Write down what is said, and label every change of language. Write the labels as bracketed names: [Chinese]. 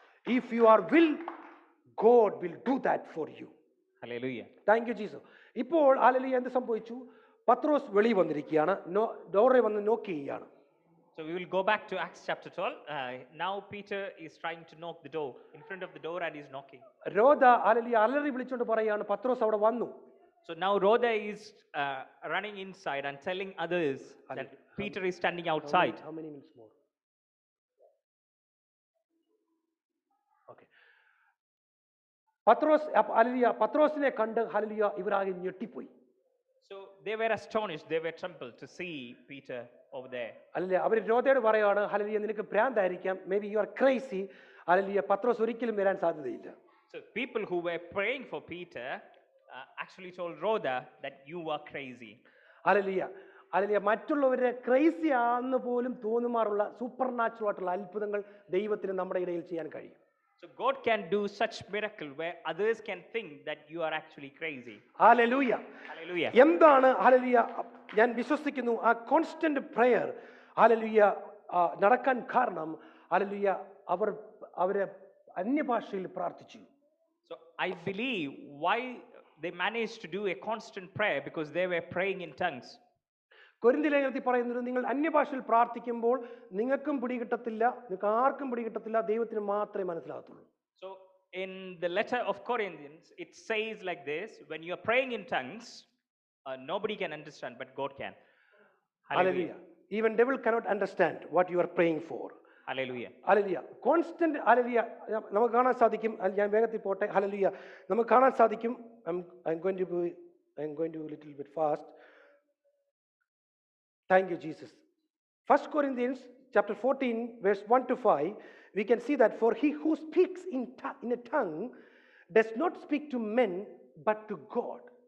[English] If you are will, God will do that for you. Hallelujah. Thank you, Jesus. [Malayalam] ഇപ്പോൾ hallelujah എന്ത് സംഭവിച്ചു? പത്രോസ് വെളിയിൽ വന്നിരിക്കുകയാണ്. ഡോറെ വന്ന് നോക്കുകയാണ്. [English] So we will go back to Acts chapter 12. Now Peter is trying to knock the door, in front of the door, and he's knocking. [Malayalam] Rhoda hallelujah അലറി വിളിച്ചുകൊണ്ട് പറയുകയാണ്, പത്രോസ് അവിടെ വന്നു. [English] So now Rhoda is running inside and telling others that Peter is standing outside. How many minutes more? [Malayalam] Pathros hallelujah പത്രോസിനെ കണ്ട് hallelujah ഇവർ ആകെ ഞെട്ടിപ്പോയി. [English] So they were astonished, they were trembled to see Peter over there. [Malayalam] Hallelujah അവര് രോദയോട് പറയുകയാണ്, hallelujah നിനക്ക് ഭ്രാന്തായിരിക്കാം, [English] maybe you are crazy, [Malayalam] hallelujah പത്രോസ് ഒരിക്കലും വരാൻ സാധ്യതയില്ല. [English] So people who were praying for Peter actually told Rhoda that you are crazy. [Malayalam] Hallelujah hallelujah മറ്റുള്ളവരെ crazy ആണെന്ന് പോലും തോന്നുമാറുള്ള supernatural ആയിട്ടുള്ള അത്ഭുതങ്ങൾ ദൈവത്തിന് നമ്മുടെ ഇടയിൽ ചെയ്യാൻ കഴിയും. [English] So God can do such miracle where others can think that you are actually crazy. Hallelujah. Hallelujah. [Malayalam] എന്താണ് ഹല്ലേലൂയ ഞാൻ വിശ്വസിക്കുന്നു, ആ കോൺസ്റ്റന്റ് പ്രെയർ ഹല്ലേലൂയ നടക്കാൻ കാരണം, ഹല്ലേലൂയ അവർ അവരെ അന്യഭാഷയിൽ പ്രാർത്ഥിച്ചു. [English] So I believe why they managed to do a constant prayer because they were praying in tongues. [Malayalam] കൊരിന്ത്യ ലേഖനത്തിൽ പറയുന്നത്, നിങ്ങൾ അന്യഭാഷയിൽ പ്രാർത്ഥിക്കുമ്പോൾ നിങ്ങൾക്കും പിടികിട്ടത്തില്ല, നിങ്ങൾക്ക് ആർക്കും പിടികിട്ടത്തില്ല, ദൈവത്തിന് മാത്രമേ മനസ്സിലാകത്തുള്ളൂ. [English] So in the letter of Corinthians it says like this, when you are praying in tongues nobody can understand but God can. Hallelujah. Even devil cannot understand what you are praying for. Hallelujah. Hallelujah. [Malayalam] Constant hallelujah നമുക്ക് കാണാൻ സാധിക്കും. ഞാൻ വേഗത്തിൽ പോട്ടെ. Hallelujah നമുക്ക് കാണാൻ സാധിക്കും. [English] I'm going to be a little bit fast. Thank you, Jesus. 1 Corinthians chapter 14, verse 1 to 5, we can see that for he who speaks in a tongue does not speak to men, but to God.